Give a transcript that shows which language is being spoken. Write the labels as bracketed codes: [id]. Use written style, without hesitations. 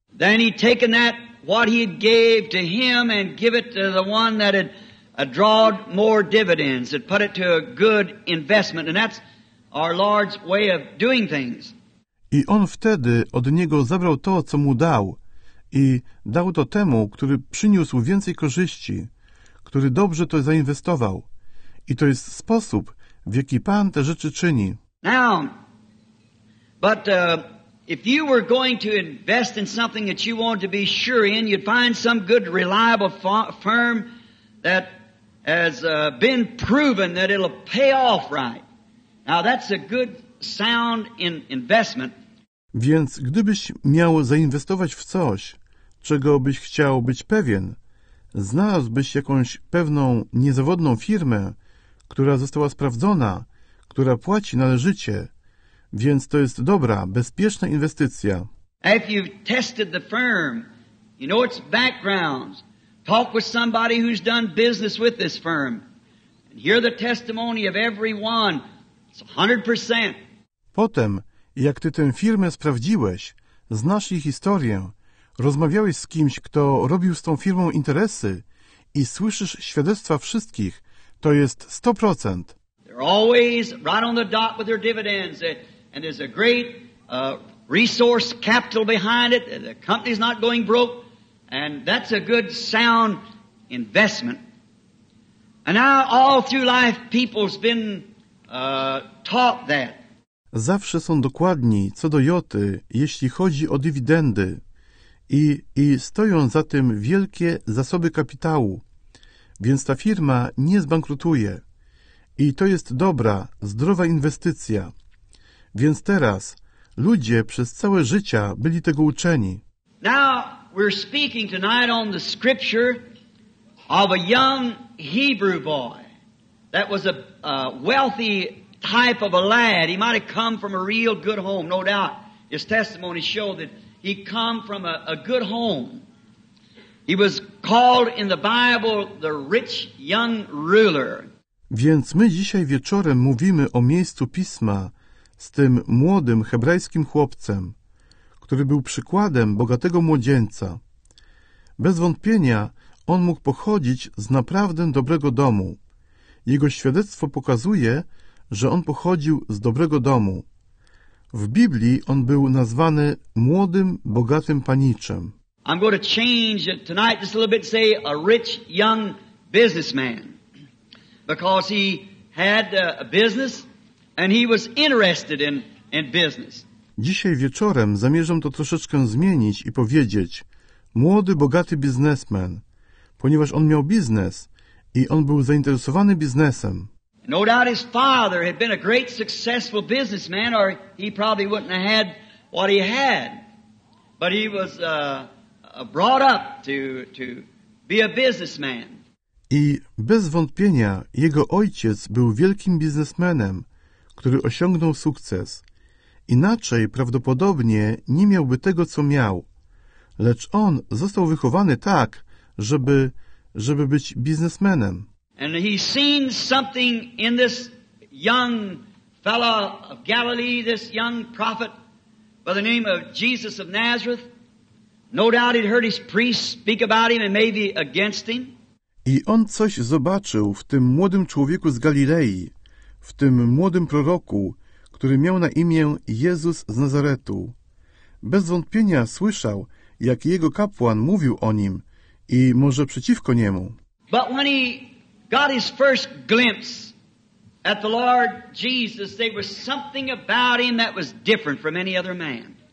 [en] Then he taken that, what he gave to him and give it to the one that had drawed more dividends and put it to a good investment, and that's our Lord's way of doing things. [pl] I on wtedy od niego zabrał to, co mu dał, i dał to temu, który przyniósł więcej korzyści, który dobrze to zainwestował. I to jest sposób, w jaki Pan te rzeczy czyni. [en] Now, but if you were going to invest in something that you want to be sure in, you'd find some good, reliable firm that has been proven that it'll pay off right. Now that's a good sound investment. [pl] Więc gdybyś miał zainwestować w coś, czego byś chciał być pewien, znalazłbyś jakąś pewną niezawodną firmę, która została sprawdzona, która płaci należycie, więc to jest dobra, bezpieczna inwestycja. [en] If you've tested the firm, you know its backgrounds. Talk with somebody who's done business with this firm. And hear the testimony of every one. It's 100%. [pl] Potem, jak ty tę firmę sprawdziłeś, znasz jej historię, rozmawiałeś z kimś, kto robił z tą firmą interesy i słyszysz świadectwa wszystkich, to jest 100%. [en] They're always right on the dot with their dividends. And there's a great resource capital behind it. The company's not going broke. And that's a good, sound investment. And now all through life people's been taught that. [pl] Zawsze są dokładni co do joty, jeśli chodzi o dywidendy. I stoją za tym wielkie zasoby kapitału. Więc ta firma nie zbankrutuje. I to jest dobra, zdrowa inwestycja. Więc teraz ludzie przez całe życia byli tego uczeni. [en] Now we're speaking tonight on the scripture of a young Hebrew boy that was a wealthy type of a lad. He might have come from a real good home, no doubt. His testimony showed that he come from a good home. He was called in the Bible the rich young ruler. [pl] Więc my dzisiaj wieczorem mówimy o miejscu Pisma z tym młodym hebrajskim chłopcem, który był przykładem bogatego młodzieńca. Bez wątpienia on mógł pochodzić z naprawdę dobrego domu. Jego świadectwo pokazuje, że on pochodził z dobrego domu. W Biblii on był nazwany młodym, bogatym paniczem. [en] I'm going to change it tonight just a little bit, say a rich young businessman. Because he had a business and he was interested in business. [pl] Dzisiaj wieczorem zamierzam to troszeczkę zmienić i powiedzieć młody, bogaty biznesmen, ponieważ on miał biznes i on był zainteresowany biznesem. [en] No doubt his father had been a great successful businessman or he probably wouldn't have had what he had. But he was brought up to be a businessman. [pl] I bez wątpienia jego ojciec był wielkim biznesmenem, który osiągnął sukces. Inaczej prawdopodobnie nie miałby tego, co miał. Lecz on został wychowany tak, żeby być biznesmenem. [en] And he seen something in this young fellow of Galilee, this young prophet by the name of Jesus of Nazareth. No doubt he'd heard his priests speak about him and maybe against him. [pl] I on coś zobaczył w tym młodym człowieku z Galilei, w tym młodym proroku, który miał na imię Jezus z Nazaretu. Bez wątpienia słyszał, jak jego kapłan mówił o nim i może przeciwko niemu. [en] But when he got his first glimpse at the Lord Jesus, there was something about him that was different from any other man.